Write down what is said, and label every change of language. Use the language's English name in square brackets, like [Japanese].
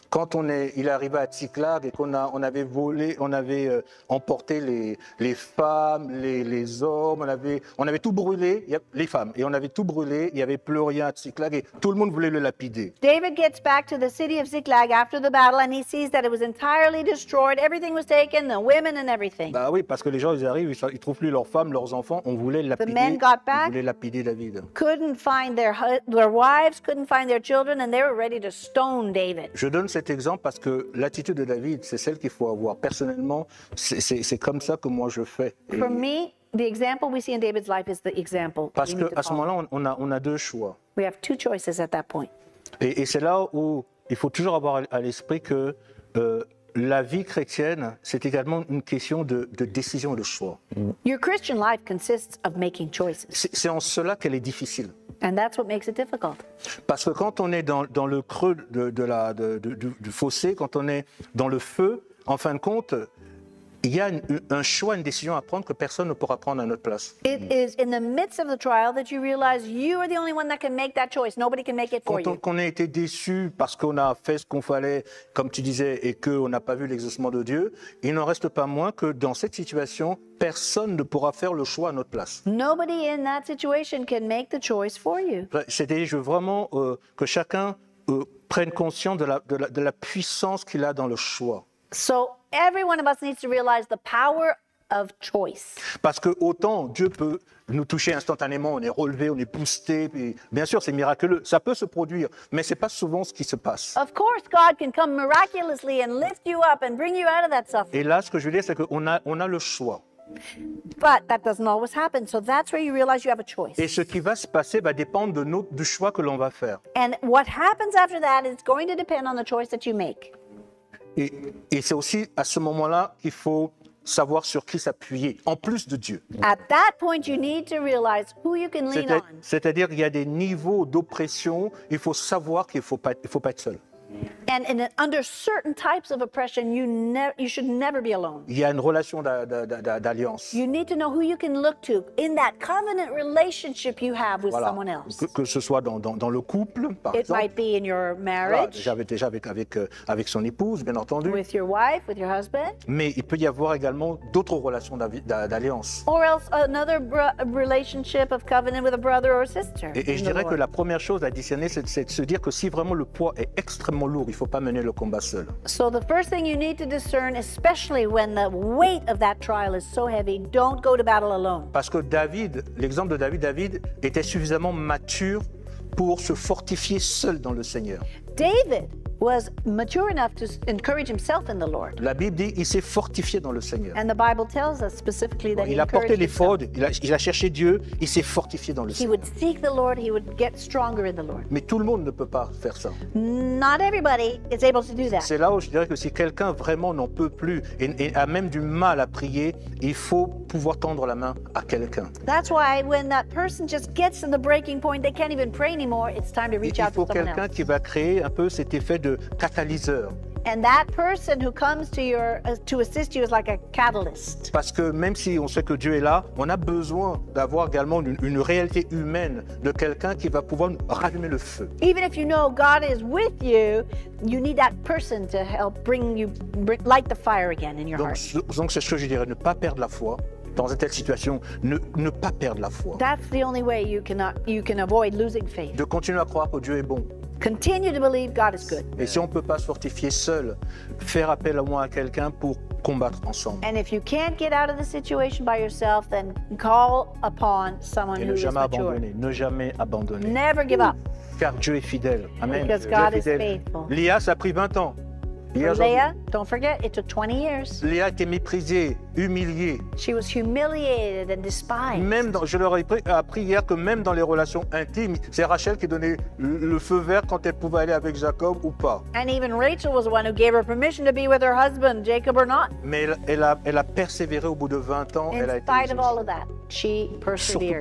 [French] Quand on est, il arriva à Tsiklag et qu'on a, on avait volé, on avait emporté les femmes, les hommes, on avait tout brûlé, les femmes, et on avait tout brûlé, il n'y avait plus rien à Tsiklag et tout le monde voulait le lapider. [English] David gets back to the city of Tsiklag after the battle and he sees that it was entirely destroyed, everything was taken, the women and everything. [French] Bah oui, parce que les gens, ils arrivent, ils ne trouvent plus leurs femmes, leurs enfants, on voulait lapider, [English] the men got back, [French] on voulait lapider David. [English] Couldn't find their wives, couldn't find their children, and they were ready to stone David. [French] Je donne cet exemple parce que l'attitude de David, c'est celle qu'il faut avoir. Personnellement, c'est comme ça que moi je fais. [English] For me, the example we see in David's life is the example. [French] Parce que à ce moment-là, on a deux choix. [English] We have two choices at that point. [French] Et c'est là où il faut toujours avoir à l'esprit que la vie chrétienne, c'est également une question de décision, de choix. [English] Your Christian life consists of making choices. [French] C'est en cela qu'elle est difficile. [English] And that's what makes it difficult. [French] Parce que quand on est dans le creux du fossé, quand on est dans le feu, en fin de compte, il y a un choix, une décision à prendre que personne ne pourra prendre à notre place. [English] It is in the midst of the trial that you realize you are the only one that can make that choice. Nobody can make it for you. [French] Quand on a été déçu parce qu'on a fait ce qu'on fallait, comme tu disais, et qu'on n'a pas vu l'exaucement de Dieu, il n'en reste pas moins que dans cette situation, personne ne pourra faire le choix à notre place. [English] Nobody in that situation can make the choice for you. [French] C'est-à-dire, je veux vraiment que chacun prenne conscience de la puissance qu'il a dans le choix. [English] So, every one of us needs to realize the power of choice. [French] Parce que autant Dieu peut nous toucher instantanément, on est relevé, on est boosté, et bien sûr c'est miraculeux, ça peut se produire, mais c'est pas souvent ce qui se passe. [English] Of course God can come miraculously and lift you up and bring you out of that suffering. [French] Et là ce que je veux dire c'est qu'on a le choix. [English] But that doesn't always happen. So that's where you realize you have a choice. [French] Et ce qui va se passer va dépendre de du choix que l'on va faire. [English] And what happens after that is going to depend on the choice that you make. [French] Et c'est aussi à ce moment-là qu'il faut savoir sur qui s'appuyer, en plus de Dieu. [English] At that point, you need to realize who you can lean on. [French] C'est-à-dire qu'il y a des niveaux d'oppression, il faut savoir qu'il ne faut pas être seul. [English] And under certain types of oppression, you should never be alone. [French] Il y a une relation d'alliance. [English] You need to know who you can look to in that covenant relationship you have with someone else. [French] Que ce soit dans le couple, par exemple. [English] It might be in your marriage. [French] Voilà, j'avais déjà avec son épouse, bien entendu. [English] With your wife, with your husband. [French] Mais il peut y avoir également d'autres relations d'alliance. [English] Or else another relationship of covenant with a brother or sister. [French] Et je dirais que la première chose à discerner, c'est de se dire que si vraiment le poids est extrêmement lourd, il ne faut pas mener le combat seul. [English] So the first thing you need to discern, especially when the weight of that trial is so heavy, don't go to battle alone. [French] Parce que David, l'exemple de David était suffisamment mature pour se fortifier seul dans le Seigneur. [English] David was mature enough to encourage himself in the Lord. [French] La Bible dit il s'est fortifié dans le Seigneur. [English] And the Bible tells us specifically that [French] il a porté l'effort, il a cherché Dieu, il s'est fortifié dans le Seigneur. [English] He would seek the Lord, he would get stronger in the Lord. [French] Mais tout le monde ne peut pas faire ça. [English] Not everybody is able to do that. [French] C'est là où je dirais que si quelqu'un vraiment n'en peut plus et a même du mal à prier, il faut pouvoir tendre la main à quelqu'un. [English] That's why when that person just gets to the breaking point, they can't even pray anymore, it's time to reach out to someone else. [French] Il faut quelqu'un qui va créer un peu cet effet de catalyseur. [English] And that person who comes to your to assist you is like a catalyst. [French] Parce que même si on sait que Dieu est là, on a besoin d'avoir également une réalité humaine de quelqu'un qui va pouvoir rallumer le feu. [English] Even if you know God is with you, you need that person to help bring light the fire again in your heart. [French] Donc c'est ce que je dirais, ne pas perdre la foi. Dans une telle situation, ne pas perdre la foi. [English] That's the only way you can avoid losing faith. [French] De continuer à croire que Dieu est bon. [English] Continue to believe God is good. [French] Et si on peut pas se fortifier seul, faire appel au moins à quelqu'un pour combattre ensemble. [English] And if you can't get out of the situation by yourself, then call upon someone who is mature. [French] Et ne jamais abandonner. [English] Never give up. [French] Car Dieu est fidèle. Amen. [English] Because God is faithful. [French] Léa, ça a pris 20 ans. [English] Léa, don't forget, it took 20 years. [French] Léa a été méprisée, humiliée. [English] She was humiliated and despised. [French] Même dans, je leur ai appris hier que même dans les relations intimes, c'est Rachel qui donnait le feu vert quand elle pouvait aller avec Jacob ou pas. [English] And even Rachel was the one who gave her permission to be with her husband, Jacob or not. [French] Mais elle a persévéré au bout de 20 ans. [English] In spite of all of that, she persevered.